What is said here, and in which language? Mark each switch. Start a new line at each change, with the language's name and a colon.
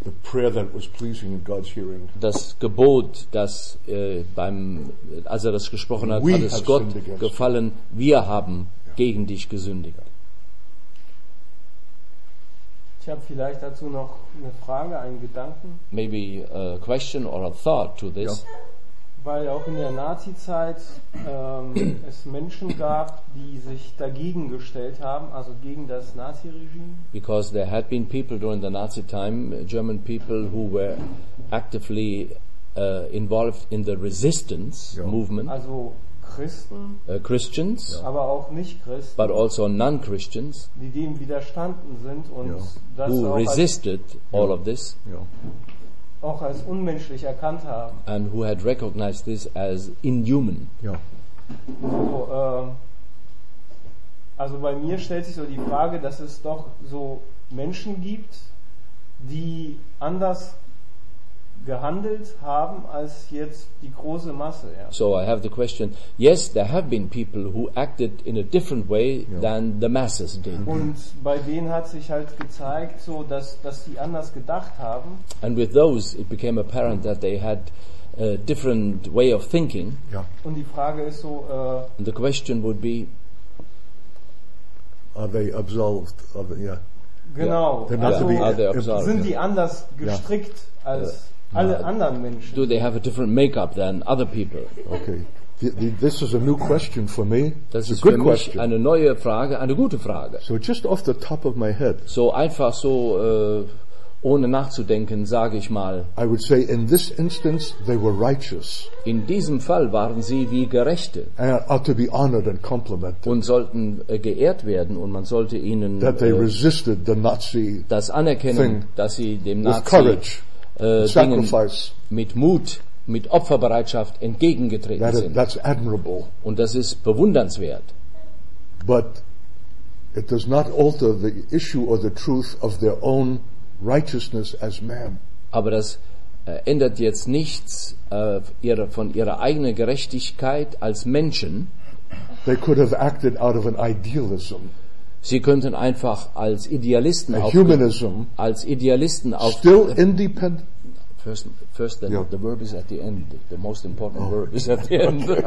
English: The prayer that was pleasing in God's hearing.
German: Das Gebot, das beim, als er das gesprochen hat, hat es Gott gefallen. Wir haben gegen dich gesündigt. Ich habe vielleicht dazu noch eine Frage, einen Gedanken.
English: Maybe a question or a thought to this. Yeah.
German: Weil auch in der Nazi-Zeit es Menschen gab, die sich dagegen gestellt haben, also gegen das Nazi-Regime.
English: Because there had been people during the Nazi time, German people who were actively involved in the resistance movement.
German: Also Christen.
English: Christians.
German: Yeah. Aber auch Nicht-Christen.
English: But also non-Christians.
German: Die dem widerstanden sind und das
English: who
German: auch
English: resisted all of this. Yeah.
German: Auch als unmenschlich erkannt haben.
English: And who had recognized this as inhuman.
German: Ja. So, also bei mir stellt sich so die Frage, dass es doch so Menschen gibt, die anders gehandelt haben als jetzt die große Masse. Ja.
English: So I have the question, yes, there have been people who acted in a different way than the masses did.
German: Und bei denen hat sich halt gezeigt, so dass sie anders gedacht haben.
English: And with those it became apparent that they had a different way of thinking.
German: Ja. Und die Frage ist so,
English: the question would be, are they absolved of it? Yeah.
German: Genau.
English: Yeah. Not also, to be, are they absolved?
German: Sind die anders gestrickt als alle anderen Menschen?
English: Do they have a different makeup than other people? Okay, this is a new question for me.
German: Das ist für mich eine neue Frage, eine gute Frage.
English: So just off the top of my head.
German: So einfach so ohne nachzudenken, sage ich mal.
English: I would say in this instance they were righteous.
German: In diesem Fall waren sie wie Gerechte.
English: And ought to be honored and complimented.
German: Und sollten geehrt werden und man sollte ihnen
English: that they resisted the Nazi
German: das anerkennen, dass sie dem Nazi
English: with courage. Sacrifice.
German: Mit Mut, mit Opferbereitschaft entgegengetreten
English: that
German: sind.
English: That's admirable.
German: Und das ist bewundernswert.
English: But it does not alter the issue or the truth of their own righteousness as man.
German: Aber das ändert jetzt nichts von ihrer eigenen Gerechtigkeit als Menschen.
English: They could have acted out of an idealism.
German: Sie könnten einfach als Idealisten
English: still independent. First then the verb is at the end. The most important verb is at the end.